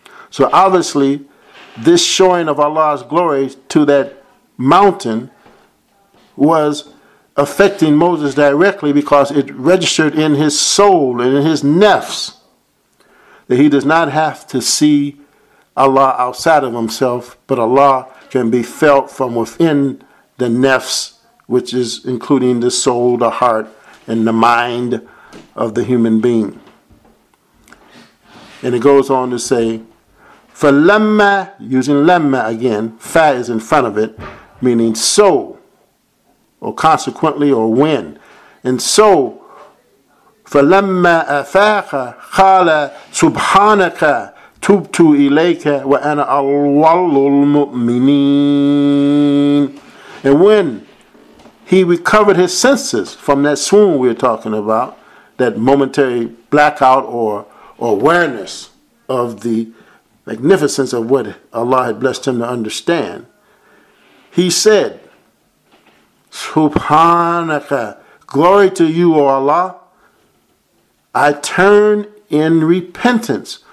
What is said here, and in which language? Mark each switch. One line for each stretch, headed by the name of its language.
English: So obviously, this showing of Allah's glory to that mountain was affecting Moses directly, because it registered in his soul and in his nafs that he does not have to see Allah outside of himself, but Allah can be felt from within the nafs, which is including the soul, the heart, and the mind of the human being. And it goes on to say, فَلَمَّا, using لَمَّا again, fa is in front of it, meaning so, or consequently, or when. And so,
Arabic: فَلَمَّا أَفَاقَ خَالَ سُبْحَانَكَ تُبْتُ إِلَيْكَ وَأَنَا أَوَّلُ الْمُؤْمِنِينَ.
English: And when he recovered his senses from that swoon we were talking about, that momentary blackout or awareness of the magnificence of what Allah had blessed him to understand, he said, Subhanaka, glory to you, O Allah, I turn in repentance.